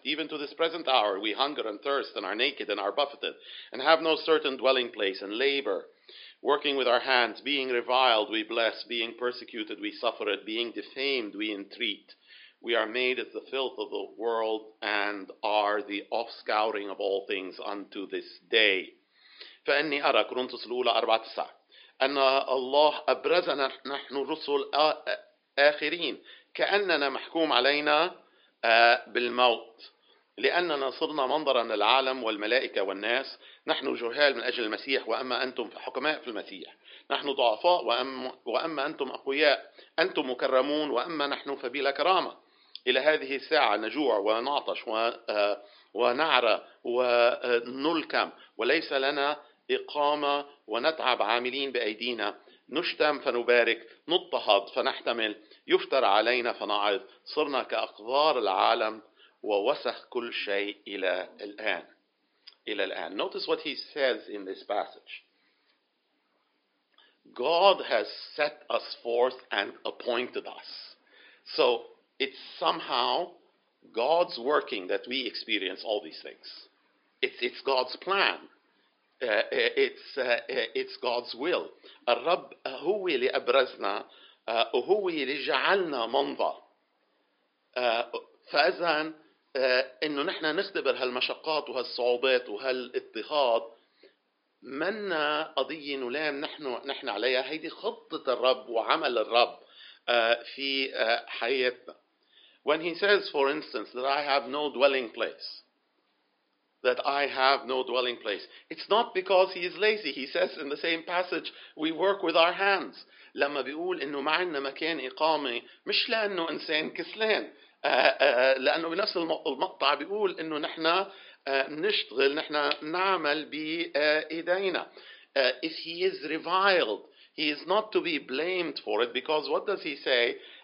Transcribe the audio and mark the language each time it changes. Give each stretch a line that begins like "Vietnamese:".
English: Even to this present hour, we hunger and thirst and are naked and are buffeted and have no certain dwelling place and labor. Working with our hands, being reviled, we bless. Being persecuted, we suffer it. Being defamed, we entreat. We are made as the filth of the world and are the offscouring of all things unto this day.
Arabic: فأني أرى كورنثوس الأولى 4-9 أن الله أبرزنا نحن الرسل آخرين كأننا محكوم علينا بالموت لأننا صرنا منظرا للعالم والملائكة والناس. نحن جهال من أجل المسيح وأما أنتم فحكماء في المسيح. نحن ضعفاء وأما أنتم أقوياء. أنتم مكرمون وأما نحن فبلا كرامة. إلى هذه الساعة نجوع ونعطش ونعرى ونلكم وليس لنا إقامة ونتعب عاملين بأيدينا. نشتم فنبارك, نضطهد فنحتمل, يفتر علينا فنعظ, صرنا كأقذار العالم ووسخ كل شيء إلى الآن. إلى الآن.
English: Notice what he says in this passage. God has set us forth and appointed us. So it's somehow God's working that we experience all these things. It's God's plan. It's God's will.
Arabic: الرب هو اللي أبرزنا وهو اللي جعلنا منظر. فإذا إنه نحن نختبر هالمشقات وهالصعوبات وهالاضطهاد منا قضية نلام نحن عليها. هيدي خطة الرب وعمل الرب في حياتنا.
English: When he says, for instance, that I have no dwelling place, that I have no dwelling place, it's not because he is lazy. He says in the same passage, we work with our hands.
Arabic: لما بيقول إنه ما عندنا مكان إقامة, مش لأنه إنسان كسلان, لأنه بنفس المقطع بيقول إنه نحنا نشتغل, نحنا نعمل بإيدينا.
English: If he is reviled, he is not to be blamed for it, because what does he say?